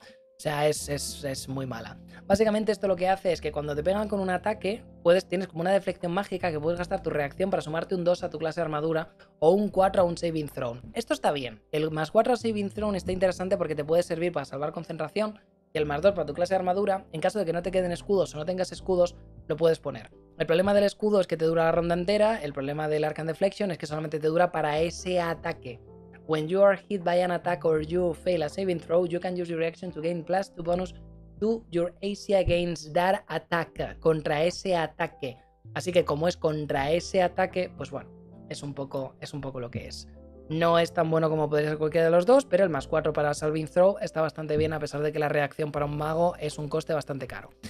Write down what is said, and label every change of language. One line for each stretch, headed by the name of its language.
Spanish: O sea, es muy mala. Básicamente esto lo que hace es que cuando te pegan con un ataque, tienes como una deflexión mágica que puedes gastar tu reacción para sumarte un 2 a tu clase de armadura o un 4 a un saving throw. Esto está bien. El más 4 a saving throw está interesante porque te puede servir para salvar concentración y el más 2 para tu clase de armadura. En caso de que no te queden escudos o no tengas escudos, lo puedes poner. El problema del escudo es que te dura la ronda entera. El problema del Arcane Deflection es que solamente te dura para ese ataque.
English: When you are hit by an attack or you fail a saving throw, you can use your reaction to gain plus 2 bonus to your AC against that attack,
Spanish: contra ese ataque. Así que como es contra ese ataque, pues bueno, es un poco lo que es. No es tan bueno como podría ser cualquiera de los dos, pero el más 4 para saving throw está bastante bien a pesar de que la reacción para un mago es un coste bastante caro.